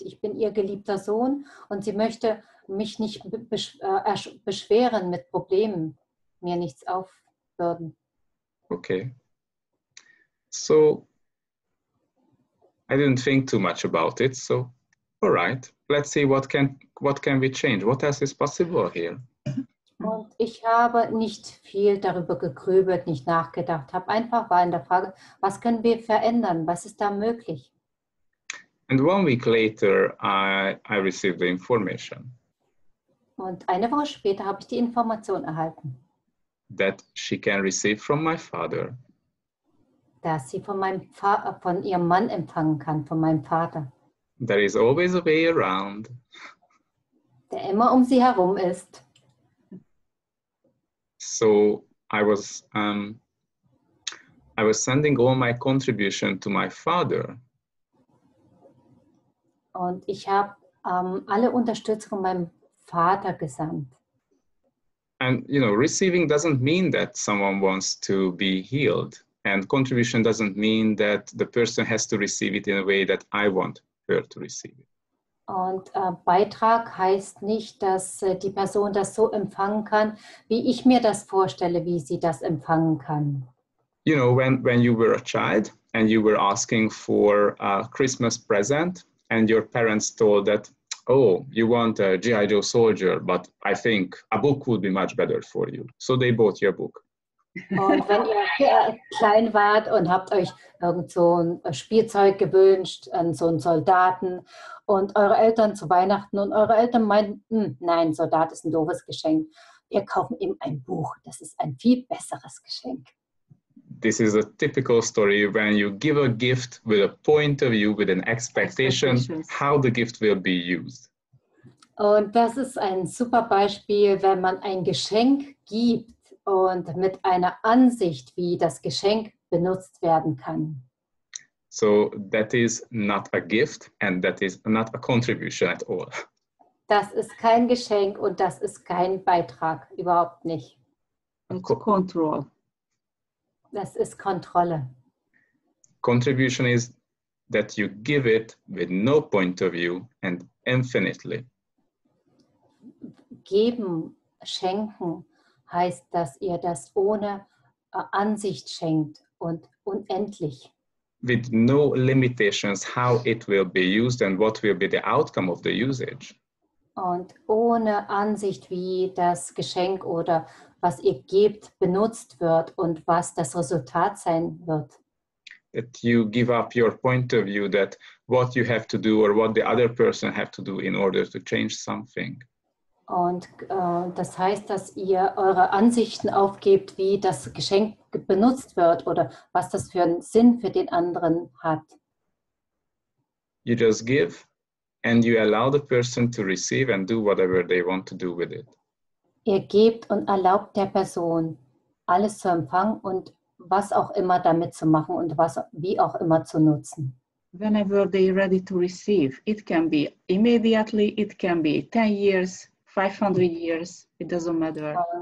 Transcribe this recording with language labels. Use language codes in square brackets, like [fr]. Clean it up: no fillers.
[de] Ich bin ihr geliebter Sohn und sie möchte mich nicht beschweren mit Problemen, mir nichts aufbürden. [en] Okay. So I didn't think too much about it, so all right, let's see what can we change, what else is possible here. [de] Und ich habe nicht viel darüber gegrübelt, nicht nachgedacht, habe einfach war in der Frage, was können wir verändern, was ist da möglich? [en] And 1 week later, I received the information. [de] Und eine Woche später habe ich die Information erhalten. [en] That she can receive from my father. [de] Dass sie von ihrem Mann empfangen kann, von meinem Vater. [en] There is always a way around. [de] Der immer um sie herum ist. [en] So I was sending all my contribution to my father. [de] Und ich habe alle Unterstützung von meinem Vater gesandt. [en] And you know, receiving doesn't mean that someone wants to be healed. And contribution doesn't mean that the person has to receive it in a way that I want her to receive it. [de] Und Beitrag heißt nicht, dass die Person das so empfangen kann, wie ich mir das vorstelle, wie sie das empfangen kann. [en] You know, when you were a child and you were asking for a Christmas present and your parents told that, oh, you want a G.I. Joe soldier, but I think a book would be much better for you. So they bought you a book. [de] Und wenn ihr klein wart und habt euch irgend so ein Spielzeug gewünscht, so einen Soldaten, und eure Eltern zu Weihnachten und eure Eltern meinten, nein, Soldat ist ein doofes Geschenk, ihr kauft ihm ein Buch, das ist ein viel besseres Geschenk. [en] This is a typical story when you give a gift with a point of view, with an expectation, how the gift will be used. [de] Und das ist ein super Beispiel, wenn man ein Geschenk gibt, und mit einer Ansicht, wie das Geschenk benutzt werden kann. [en] So that is not a gift and that is not a contribution at all. [de] Das ist kein Geschenk und das ist kein Beitrag, überhaupt nicht. [en] Control. [de] Das ist Kontrolle. [en] Contribution is that you give it with no point of view and infinitely. [de] Geben, schenken. Heißt, dass ihr das ohne Ansicht schenkt und unendlich. [en] With no limitations, how it will be used and what will be the outcome of the usage. [de] Und ohne Ansicht, wie das Geschenk oder was ihr gebt, benutzt wird und was das Resultat sein wird. [en] That you give up your point of view that what you have to do or what the other person have to do in order to change something. [de] Und das heißt, dass ihr eure Ansichten aufgebt, wie das Geschenk benutzt wird oder was das für einen Sinn für den anderen hat. [en] You just give and you allow the person to receive and do whatever they want to do with it. [de] Ihr gebt und erlaubt der Person, alles zu empfangen und was auch immer damit zu machen und was wie auch immer zu nutzen. [en] Whenever they are ready to receive, it can be immediately, it can be 10 years. 500 years, it doesn't matter.